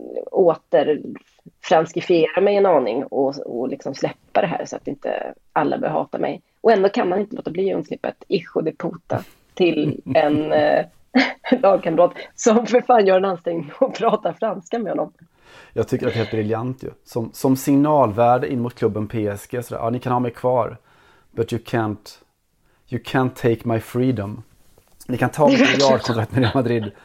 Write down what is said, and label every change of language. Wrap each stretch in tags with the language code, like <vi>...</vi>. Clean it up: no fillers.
<sv>åter franskifiera mig en aning och liksom släppa det här så att inte alla behöver hata mig, och ändå kan man inte låta bli undslippet</sv> <es>Ijo de Puta</es> <sv>till en lagkamrat som för fan gör en ansträngning och pratar franska med honom. Jag tycker att det är briljant ju. Som signalvärde in mot klubben PSG. Sådär. Ja, ni kan ha mig kvar.</sv> <en>But you can't take my freedom.</en> <sv>Ni kan ta mitt miljardkontrakt med Real Madrid.</sv>